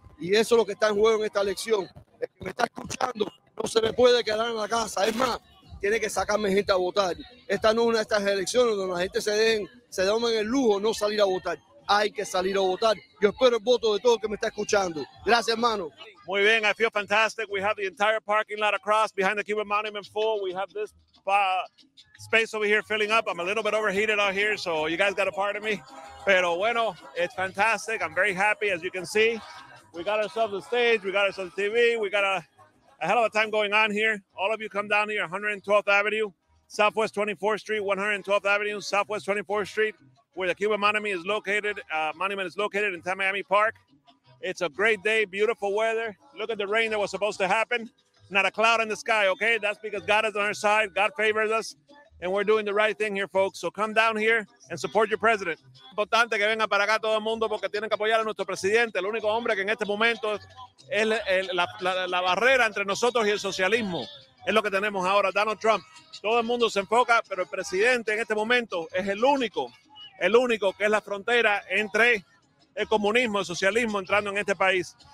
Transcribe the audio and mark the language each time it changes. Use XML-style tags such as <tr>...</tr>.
<es>Y eso es lo que está en juego en esta elección. El que me está escuchando no se me puede quedar en la casa. Es más, tiene que sacarme gente a votar. Esta no es una de estas elecciones donde la gente se den el lujo de no salir a votar. Hay que salir a votar. Yo espero el voto de todo el que me está escuchando. Gracias, hermano. Muy bien,</es> <en>I feel fantastic. We have the entire parking lot across behind the Cuban Monument full. We have this space over here filling up. I'm a little bit overheated out here, so you guys got a part of me.</en> <es>Pero bueno,</es> <en>it's fantastic. I'm very happy, as you can see. We got ourselves a stage, we got ourselves a TV, we got a hell of a time going on here. All of you come down here, 112th Avenue, Southwest 24th Street, 112th Avenue, Southwest 24th Street, where the Cuban Monument is located, in Tamiami Park. It's a great day, beautiful weather. Look at the rain that was supposed to happen. Not a cloud in the sky, okay? That's because God is on our side, God favors us, and we're doing the right thing here, folks. So come down here and support your president.</en> <es>Es importante que venga para acá todo el mundo porque tienen que apoyar a nuestro presidente, el único hombre que en este momento es la barrera entre nosotros y el socialismo. Es lo que tenemos ahora, Donald Trump. Todo el mundo se enfoca, pero el presidente en este momento es el único que es la frontera entre el comunismo, el socialismo entrando en este país.</es>